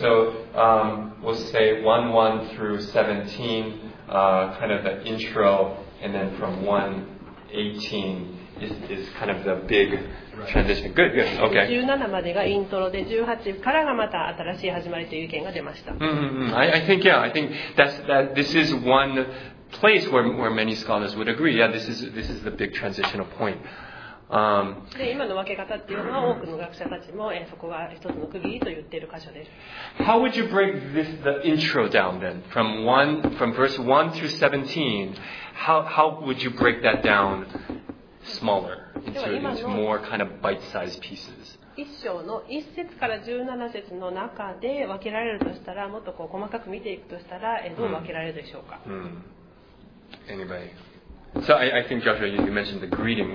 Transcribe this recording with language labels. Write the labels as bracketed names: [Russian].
[English] So we'll say 1:1 through 17, kind of the intro, and then from 1:18. Is kind of the big transition. Good, good. Okay. [Japanese] 17までがイントロで、18からがまた新しい始まりという意見が出ました。 [English] I think, yeah, I think this is one place where many scholars would agree. Yeah, this is the big transitional point. [Japanese] で、今の分け方っていうのは多くの学者たちも、そこが一つの区切りと言っている箇所です。 [English] How would you break this, the intro down then? From verse 1 through 17, how would you break that down? Smaller into more kind of bite-sized pieces. [Japanese] 一章の一節から十七節の中で分けられるとしたら、もっとこう細かく見ていくとしたら、どう分けられるでしょうか。 [English] Anybody? So I think Joshua, you mentioned the greeting.